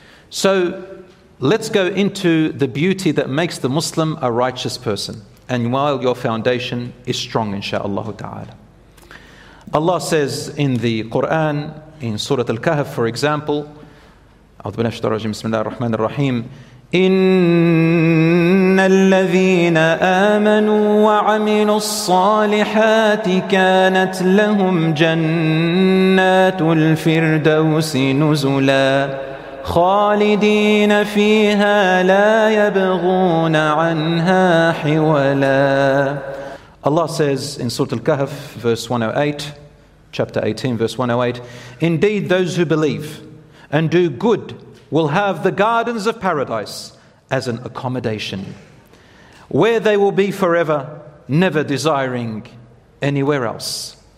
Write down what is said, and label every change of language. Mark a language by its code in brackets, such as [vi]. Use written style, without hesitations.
[en] So let's go into the beauty that makes the Muslim a righteous person, and while your foundation is strong, inshallah ta'ala. Allah says in the Quran, in Surah Al-Kahf, for example, [ar] أعوذ بالله الرجيم بسم الله الرحمن الرحيم إن الذين آمنوا وعملوا الصالحات كانت لهم جنات الفردوس نزلا خالدين فيها لا يبغون عنها حولا. [en] Allah says in Surah Al-Kahf, verse 108, chapter 18, verse 108, indeed those who believe and do good will have the gardens of paradise as an accommodation, where they will be forever, never desiring anywhere else.